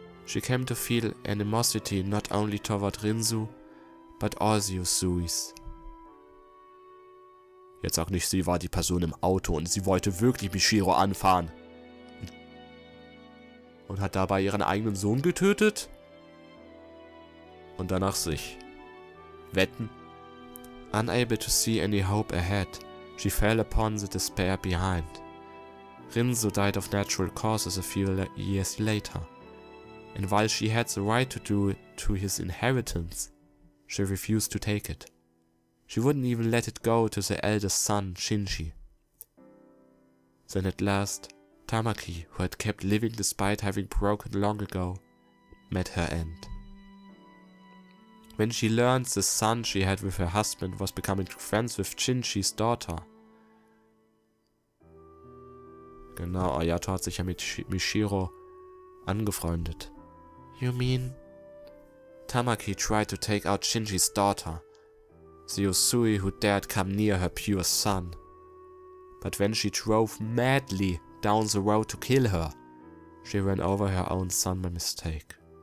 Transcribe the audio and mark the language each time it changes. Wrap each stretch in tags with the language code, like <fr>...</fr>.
<en>She came to feel animosity not only toward Rinzo, but also Yusui's.</en> <de>Jetzt sag nicht, sie war die Person im Auto und sie wollte wirklich Michiro anfahren. Und hat dabei ihren eigenen Sohn getötet? Und danach sich. Wetten?</de> <en>Unable to see any hope ahead, she fell upon the despair behind. Rinzo died of natural causes a few years later. And while she had the right to do to his inheritance, she refused to take it. She wouldn't even let it go to the eldest son, Shinji. Then at last, Tamaki, who had kept living despite having broken long ago, met her end. When she learned the son she had with her husband was becoming friends with Shinji's daughter.</en> <de>Genau, Ayato hat sich ja mit Michiro angefreundet.</de> <en>You mean? Tamaki tried to take out Shinji's daughter, the Yusui who dared come near her pure son. But when she drove madly down the road to kill her, she ran over her own son by mistake.</en>